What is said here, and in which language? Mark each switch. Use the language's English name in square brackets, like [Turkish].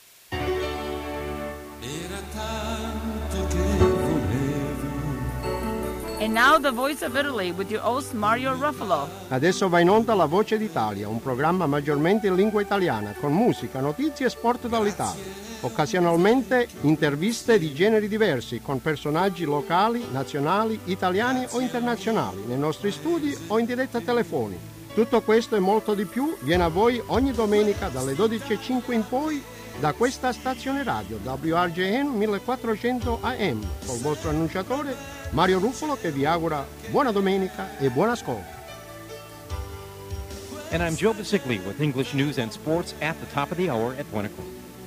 [English] And now the Voice of Italy with your host Mario Ruffalo. [Italian] Adesso va in onda la Voce d'Italia, un programma maggiormente in lingua italiana, con musica, notizie e sport dall'Italia. Occasionalmente interviste di generi diversi con personaggi locali, nazionali, italiani o internazionali, nei nostri studi o in diretta telefonica. Tutto questo e molto di più viene a voi ogni domenica dalle 12.05 in poi da questa stazione radio WRJN 1400 AM col vostro annunciatore Mario Ruffalo che vi augura buona domenica e buon ascolto. [English] And I'm Joe Vesicoli with English News and Sports at the top of the hour at 1 o'clock.